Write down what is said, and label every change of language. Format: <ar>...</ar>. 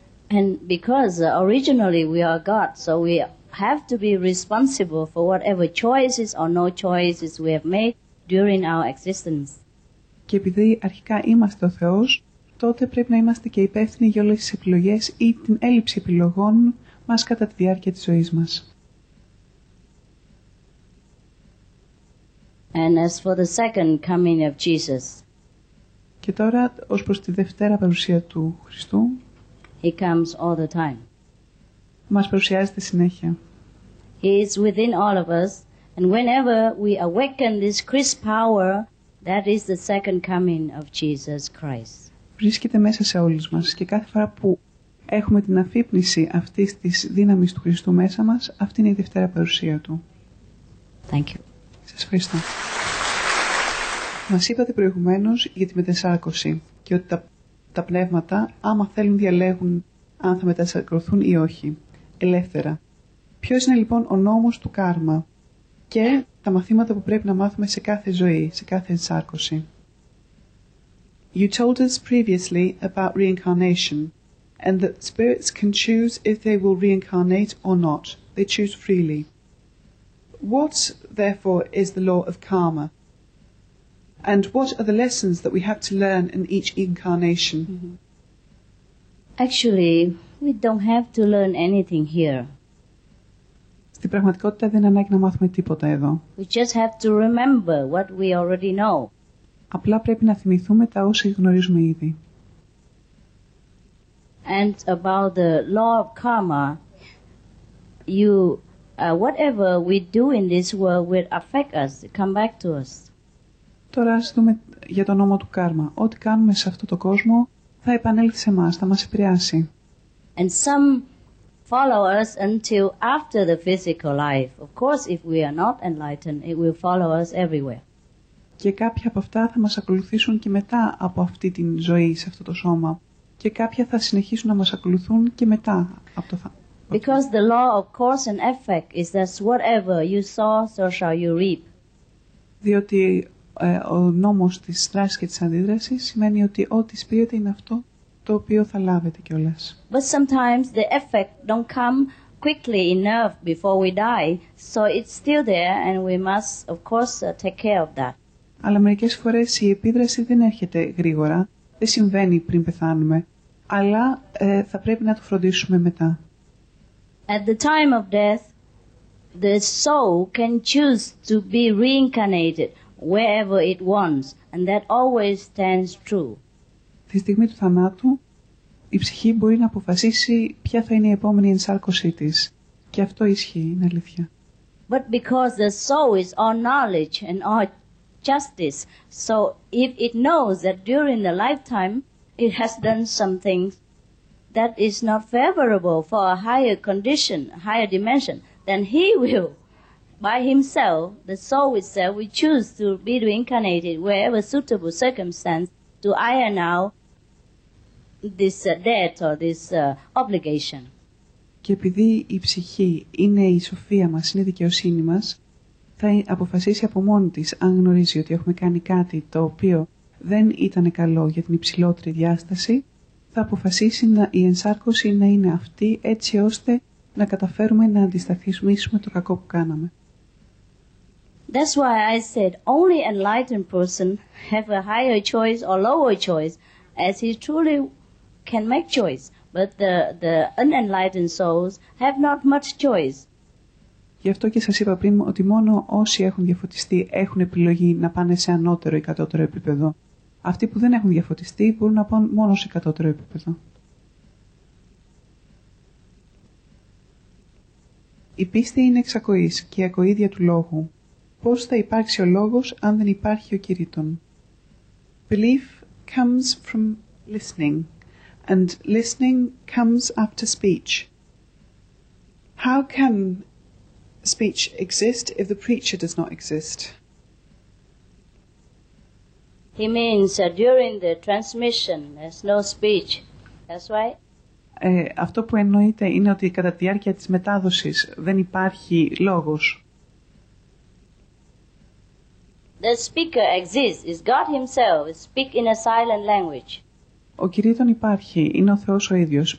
<en>And because originally we are God, so we have to be responsible for whatever choices or no choices we have made during our existence.</en> <el>Και επειδή αρχικά είμαστε ο Θεός, τότε πρέπει να είμαστε και υπεύθυνοι για όλες τις επιλογές ή την έλλειψη επιλογών μας κατά τη διάρκεια της ζωής μας.</el> <en>And as for the second coming of Jesus.</en> <el>Και τώρα ως προς τη δεύτερη παρουσία του Χριστού.</el> <en>He comes all the time.</en> <el>Μας παρουσιάζεται συνέχεια.</el> <en>He is within all of us, and whenever we awaken this Christ power, that is the second coming of Jesus Christ.</en> <el>Βρίσκεται μέσα σε όλους μας και κάθε φορά που έχουμε την αφύπνιση αυτής της δύναμης του Χριστού μέσα μας, αυτή είναι η δεύτερη παρουσία του.</el> <en>Thank you.</en> <el>Σας ευχαριστώ. Μας είπατε προηγουμένως για τη μετενσάρκωση και ότι τα πνεύματα, άμα θέλουν, διαλέγουν αν θα μετενσαρκωθούν ή όχι, ελεύθερα. Ποιος είναι λοιπόν ο νόμος του κάρμα και τα μαθήματα που πρέπει να μάθουμε σε κάθε ζωή, σε κάθε ενσάρκωση?</el> <en>You told us previously about reincarnation and that spirits can choose if they will reincarnate or not. They choose freely. What, therefore, is the law of karma? And what are the lessons that we have to learn in each incarnation? Actually, we don't have to learn anything here.</en> <el>Στην πραγματικότητα δεν ανάγκη να μάθουμε τίποτα εδώ.</el> <en>We just have to remember what we already know.</en> <el>Απλά πρέπει να θυμηθούμε τα όσα γνωρίζουμε ήδη.</el> <en>And about the law of karma, whatever we do in this world will affect us, come back to us.</en> <el>Τώρα ας δούμε για τον νόμο του κάρμα. Ό,τι κάνουμε σε αυτό το κόσμο θα επανέλθει σε μας, θα μας επηρεάσει.</el> <en>And some follow us until after the physical life. Of course, if we are not enlightened, it will follow us everywhere.</en> <el>Και κάποια από αυτά θα μας ακολουθήσουν και μετά από αυτή τη ζωή σε αυτό το σώμα. Και κάποια θα συνεχίσουν να μας ακολουθούν και μετά από το θάνατο.</el> <en>Because the law of cause and effect is that whatever you sow, so shall you reap.</en> <el>Διότι ο νόμος της δράσης και της αντίδρασης σημαίνει ότι ό,τι σπείρετε είναι αυτό το οποίο θα λάβετε κιόλας.</el> <en>But sometimes the effect don't come quickly enough before we die, so it's still there and we must of course take care of that.</en> <el>Αλλά μερικές φορές η επίδραση δεν έρχεται γρήγορα, δεν συμβαίνει πριν πεθάνουμε. αλλά θα πρέπει να το φροντίσουμε μετά.</el> <en>At the time of death, the soul can choose to be reincarnated wherever it wants, and that always stands true.</en> <el>Τη στιγμή του θανάτου, η ψυχή μπορεί να αποφασίσει ποια θα είναι η επόμενη ενσάρκωσή της. Και αυτό ισχύει, είναι αλήθεια.</el> <en>But because the soul is all knowledge and all justice, so if it knows that during the lifetime it has done something that is not favorable for a higher condition, higher dimension, then he will, by himself, the soul itself, will choose to be reincarnated wherever suitable circumstance to iron out this debt or this obligation.</en> <el>Και επειδή η ψυχή είναι η σοφία μας, είναι η δικαιοσύνη μας, θα αποφασίσει από μόνη της, αν γνωρίζει ότι έχουμε κάνει κάτι το οποίο δεν ήταν καλό για την υψηλότερη διάσταση, θα αποφασίσει να, η ενσάρκωση να είναι αυτή, έτσι ώστε να καταφέρουμε να αντισταθμίσουμε το κακό που κάναμε.</el> <en>That's why I said only enlightened person have a higher choice or lower choice, as he truly can make choice. But the unenlightened souls have not much choice.</en> <el>Γι' αυτό και σας είπα πριν ότι μόνο όσοι έχουν διαφωτιστεί έχουν επιλογή να πάνε σε ανώτερο ή κατώτερο επίπεδο. Αυτοί που δεν έχουν διαφωτιστεί μπορούν να πάνε μόνο σε κατώτερο επίπεδο. Η πίστη είναι εξακοής και η ακοήδια του λόγου. Πώς θα υπάρξει ο λόγος αν δεν υπάρχει ο κηρύττων?</el> <en>Belief comes from listening. And listening comes after speech. How can speech exist if the preacher does not exist? He means that during the transmission there's no speech. That's right.</en> <el>Αυτό που εννοείται είναι ότι κατά τη διάρκεια της μετάδοσης δεν υπάρχει λόγος.</el> <en>The speaker exists. It's God himself. Speak in a silent language.</en> <el>Ο κηρύττων υπάρχει, είναι ο Θεός ο ίδιος.</el>